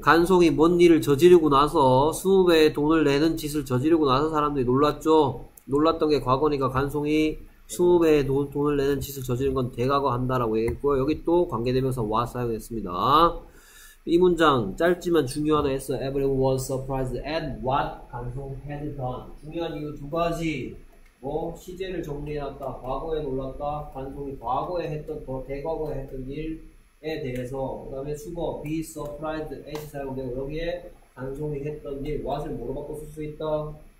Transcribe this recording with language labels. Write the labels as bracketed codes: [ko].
[ko] 간송이 뭔 일을 저지르고 나서 20배의 돈을 내는 짓을 저지르고 나서 사람들이 놀랐죠. 놀랐던 게 과거니까 간송이 20배의 돈을 내는 짓을 저지른 건 대과거 한다라고 얘기했고요. 여기 또 관계대명사 와 사용했습니다. 이 문장 짧지만 중요하다 했어. [en] Everyone was surprised at what 간송 had done. [ko] 중요한 이유 두 가지. 뭐 시제를 정리해놨다. 과거에 놀랐다. 간송이 과거에 했던 대과거에 했던 일에 대해서. 그다음에 수거 [en] be surprised at [ko] 사용되고 여기에 간송이 했던 일 what을 뭐로 바꿔 쓸수 있다.